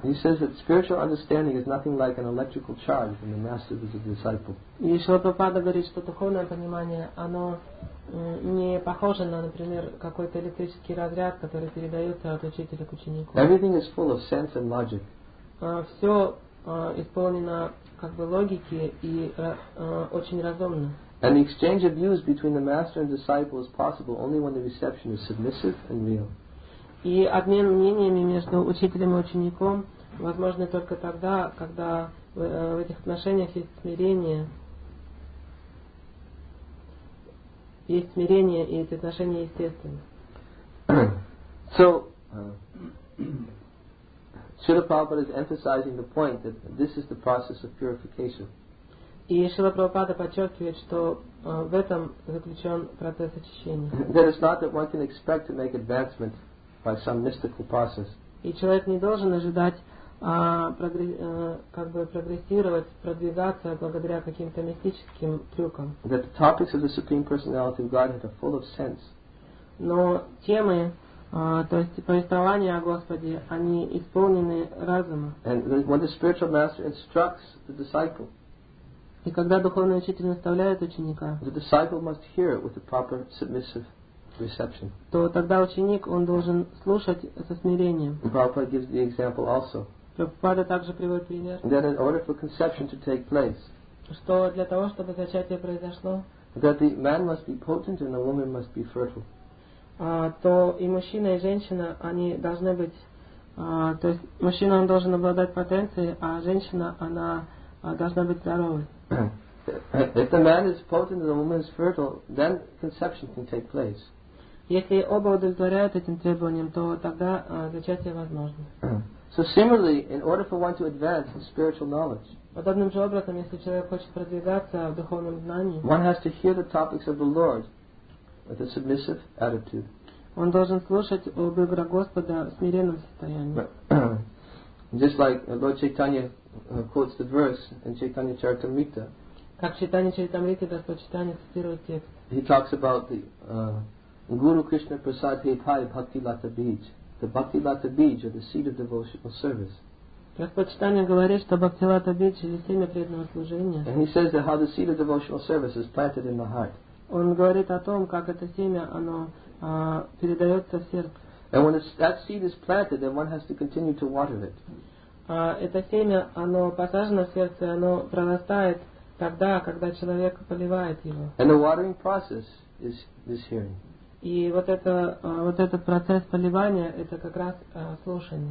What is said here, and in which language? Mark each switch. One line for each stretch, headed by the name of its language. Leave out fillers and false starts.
English: He says that spiritual understanding is nothing like an electrical charge when the master is a disciple.
Russian: И Шрила Прабхупада говорит, что духовное понимание, оно не похоже на, например, какой-то электрический разряд, который передается от учителя к ученику.
English: Everything is full of sense and logic.
Russian: Все исполнено как бы логики и очень разумно.
English: And the exchange of views between the master and disciple is possible only when the reception is submissive and real.
Russian: И обмен мнениями между учителем и учеником возможен только тогда, когда в этих отношениях есть смирение, и эти отношения естественны.
English: So, Srila Prabhupada is emphasizing the point that this is the process of purification.
Russian: И Шрила Прабхупада подчеркивает, что в этом заключен процесс очищения.
English: That is not that one can expect to make advancement by some mystical process.
Russian: И человек не должен ожидать прогрессировать, продвигаться благодаря каким-то мистическим трюкам.
English: That the topics of the Supreme Personality of Godhead are full of sense.
Russian: Но темы, то есть повествования о Господе, они исполнены разума.
English: And when the spiritual master instructs the disciple,
Russian: и когда духовный учитель наставляет ученика,
English: the disciple must hear it with a proper submissive reception.
Russian: То тогда ученик, он должен слушать со смирением.
English: Prabhupada gives the example also.
Russian: Прабхупада также приводит пример.
English: That in order for conception to take place,
Russian: что для того, чтобы зачатие произошло,
English: that the man must be potent and the woman must be fertile.
Russian: То и мужчина, и женщина, они должны быть, то есть мужчина, он должен обладать потенцией, а женщина, она должна быть здоровой.
English: If the man is potent and the woman is fertile, then conception can take place.
Russian: Если оба удовлетворяют этим требованиям, то тогда зачатие возможно.
English: So similarly, in order for one to advance in spiritual knowledge,
Russian: подобным же образом, если человек хочет продвигаться в духовном знании,
English: one has to hear the topics of the Lord with a submissive attitude.
Russian: Он должен слушать об игре Господа в смиренном состоянии.
English: Just like Lord Chaitanya quotes the verse in Chaitanya Charitamrita.
Russian: Как Чайтанья Чаритамрита, Господь Чайтанья цитирует текст.
English: He talks about the Guru Krishna Prasad Hetai Bhakti Lata Bij. The Bhakti Lata Bij are the seed of devotional service.
Russian: Господь Чайтанья говорит, что Бхакти Лата Бидж – семя преданного служения.
English: And he says that how the seed of devotional service is planted in the heart.
Russian: Он говорит о том, как это семя, оно передается в сердце.
English: And when that seed is planted, then one has to continue to water it.
Russian: Это семя, оно посажено в сердце, оно прорастает тогда, когда человек поливает его.
English: And the watering process is this hearing.
Russian: И вот это, вот этот процесс поливания, это как раз слушание.